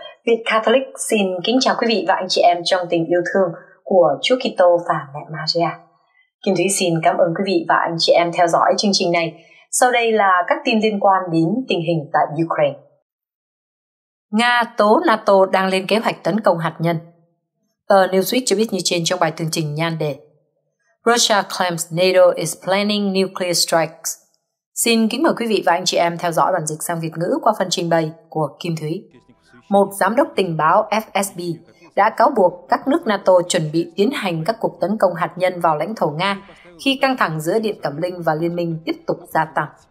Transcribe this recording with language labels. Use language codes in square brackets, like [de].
[vi] Việt Catholic xin kính chào quý vị và anh chị em trong tình yêu thương của Chúa Kitô và Mẹ Maria. Kim Thúy xin cảm ơn quý vị và anh chị em theo dõi chương trình này. Sau đây là các tin liên quan đến tình hình tại Ukraine. Nga tố NATO đang lên kế hoạch tấn công hạt nhân. Tờ Newsweek cho biết như trên trong bài tường trình nhan đề. [en] Russia claims NATO is planning nuclear strikes. [vi] Xin kính mời quý vị và anh chị em theo dõi bản dịch sang Việt ngữ qua phần trình bày của Kim Thúy. Một giám đốc tình báo FSB đã cáo buộc các nước NATO chuẩn bị tiến hành các cuộc tấn công hạt nhân vào lãnh thổ Nga khi căng thẳng giữa Điện Cẩm Linh và Liên minh tiếp tục gia tăng.